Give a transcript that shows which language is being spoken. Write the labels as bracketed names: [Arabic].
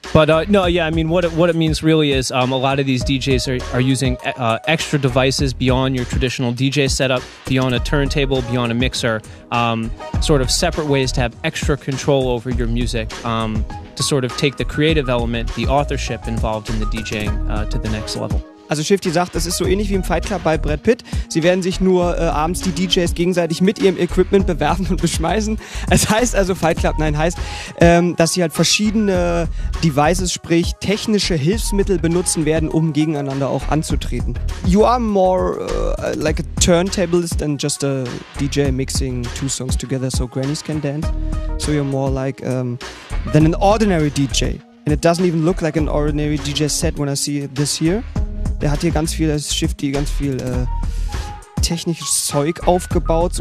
[English] But what it means really is a lot of these DJs are using extra devices beyond your traditional DJ setup, beyond a turntable, beyond a mixer, sort of separate ways to have extra control over your music, to sort of take the creative element, the authorship involved in the DJing to the next level. [German] Also Shifty sagt, es ist so ähnlich wie im Fight Club bei Brad Pitt. Sie werden sich nur abends die DJs gegenseitig mit ihrem Equipment bewerfen und beschmeißen. Es heißt also Fight Club, nein, heißt, dass sie halt verschiedene Devices, sprich technische Hilfsmittel benutzen werden, um gegeneinander auch anzutreten. [English] You are more like a turntablist than just a DJ mixing two songs together so grannies can dance. So you're more like than an ordinary DJ. And it doesn't even look like an ordinary DJ set when I see it this here. [German] Der hat hier ganz viel, das Shifty, ganz viel technisches Zeug aufgebaut.